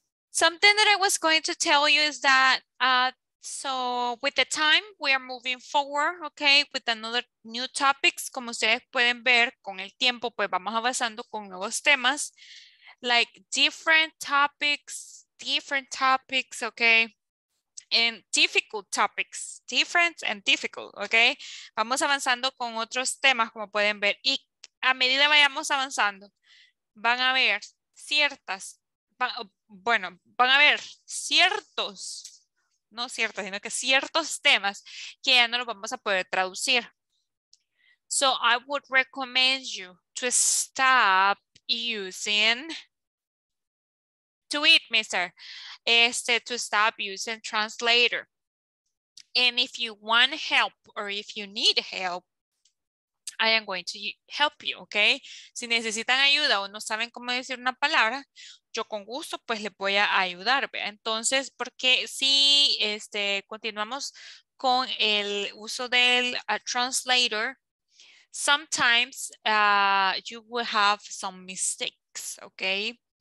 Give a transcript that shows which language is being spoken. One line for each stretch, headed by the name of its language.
English: Something that I was going to tell you is that, so with the time, we are moving forward, okay, with another new topics.
Spanish: Como ustedes pueden ver, con el tiempo, pues vamos avanzando con nuevos temas,
English: like different topics,
Spanish: okay.
English: And difficult topics, different and difficult, okay?
Spanish: Vamos avanzando con otros temas, como pueden ver. Y a medida vayamos avanzando, van a ver ciertas, van a ver ciertos, no ciertos, sino que ciertos temas que ya no los vamos a poder traducir.
English: So I would recommend you to stop using... To it, mister, to stop using translator. And if you want help or if you need help, I am going to help you, okay?
Spanish: Si necesitan ayuda o no saben cómo decir una palabra, yo con gusto pues les voy a ayudar, ¿ve? Entonces, porque si continuamos con el uso del translator,
English: sometimes you will have some mistakes,
Spanish: okay?